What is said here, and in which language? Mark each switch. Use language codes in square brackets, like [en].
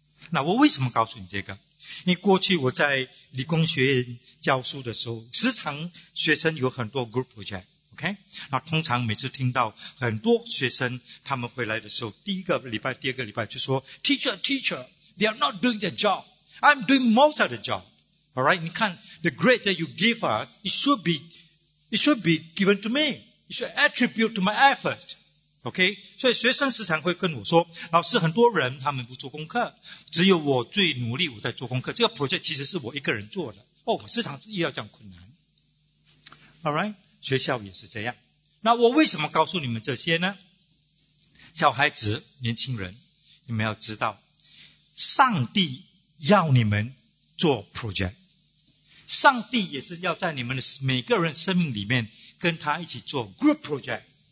[zh] 那我为什么告诉你这个？因为过去我在理工学院教书的时候，时常学生有很多 group project。 OK， 那通常每次听到很多学生他们回来的时候，第一个礼拜、第二个礼拜就说 ： [en] “Teacher, they are not doing their job. I'm doing most of the job. All right， [zh] 你看 [en] the grade that you give us, it should be given to me. It should attribute to my effort. [zh] OK， 所以学生时常会跟我说，老师，很多人他们不做功课，只有我最努力，我在做功课。这个 project 其实是我一个人做的。哦，我时常遇到这样困难。 All right。” 学校也是这样。那我为什么告诉你们这些呢？小孩子、年轻人，你们要知道，上帝要你们做 project， 上帝也是要在你们的每个人生命里面跟他一起做 group project。